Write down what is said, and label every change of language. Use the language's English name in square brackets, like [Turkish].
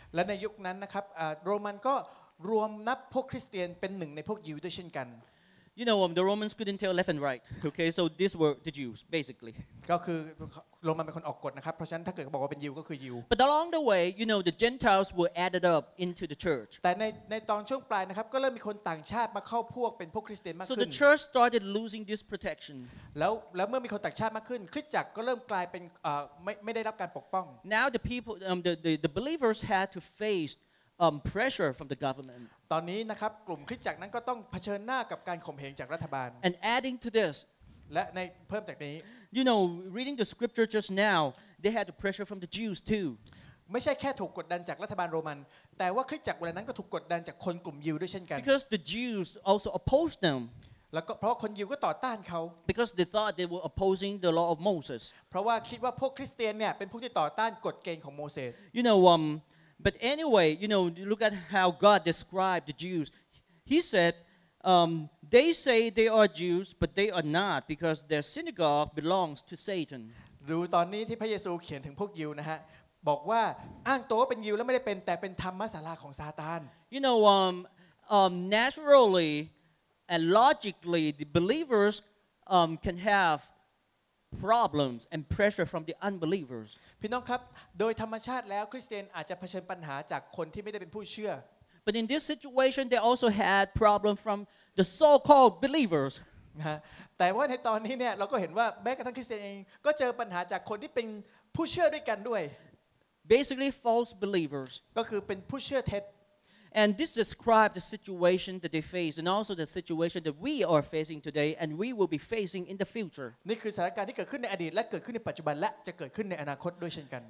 [Thai] และในยุคนั้นนะครับโรมันก็รวมนับพวกคริสเตียนเป็นหนึ่งในพวกยิวด้วยเช่นกัน [English] You know, the Romans couldn't tell left and right. Okay, so these were the Jews, basically. [Thai] ก็คือโรมันเป็นคนออกกฎนะครับเพราะฉะนั้นถ้าเกิดบอกว่าเป็นยิวก็คือยิว [English] But along the way, you know, the Gentiles were added up into the church. [Thai] แต่ในตอนช่วงปลายนะครับก็เริ่มมีคนต่างชาติมาเข้าพวกเป็นพวกคริสเตียนมากขึ้ น [English] So the church started losing this protection. [Thai] แล้วเมื่อมีคนต่างชาติมากขึ้นคริสตจักรก็เริ่มกลายเป็นไม่ได้รับการปกป้อง [English] Now the people, the believers had to face. Pressure from the government. [Thai] ตอนนี้นะครับกลุ่มคริสตจักรนั้นก็ต้องเผชิญหน้ากับการข่มเหงจากรัฐบาล [English] And adding to this, [Thai] และในเพิ่มจากนี้ [English] you know, reading the scripture just now, they had the pressure from the Jews too. [Thai] ไม่ใช่แค่ถูกกดดันจากรัฐบาลโรมันแต่ว่าคริสตจักรเวลานั้นก็ถูกกดดันจากคนกลุ่มยิวด้วยเช่นกัน [English] Because the Jews also opposed them. [Thai] แล้วก็เพราะคนยิวก็ต่อต้านเขา [English] Because they thought they were opposing the law of Moses. [Thai] เพราะว่าคิดว่าพวกคริสเตียนเนี่ยเป็นพวกที่ต่อต้านกฎเกณฑ์ของโมเสส [English] You know, But anyway, you know, look at how God described the Jews. He said, they say they are Jews, but they are not because their synagogue belongs to Satan. [Thai] ดูตอนนี้ที่พระเยซูเขียนถึงพวกยิวนะฮะบอกว่าอ้างตัวเป็นยิวแล้วไม่ได้เป็นแต่เป็นธรรมศาลาของซาตาน [English] You know, naturally and logically, the believers can haveproblems and pressure from the unbelievers [Thai] พี่น้องครับโดยธรรมชาติแล้วคริสเตียนอาจจะเผชิญปัญหาจากคนที่ไม่ได้เป็นผู้เชื่อ [English] But in this situation they also had problem from the so-called believers [Thai] นะแต่ว่าในตอนนี้เนี่ยเราก็เห็นว่าแม้กระทั่งคริสเตียนเองก็เจอปัญหาจากคนที่เป็นผู้เชื่อด้วยกันด้วย [English] Basically false believers [Thai] ก็คือเป็นผู้เชื่อเท็จ [English] And this describes the situation that they face and also the situation that we are facing today and we will be facing in the future. [Thai] นี่คือสถานการณ์ที่เกิดขึ้นในอดีตและเกิดขึ้นในปัจจุบันและจะเกิดขึ้นในอนาคตด้วยเช่นกัน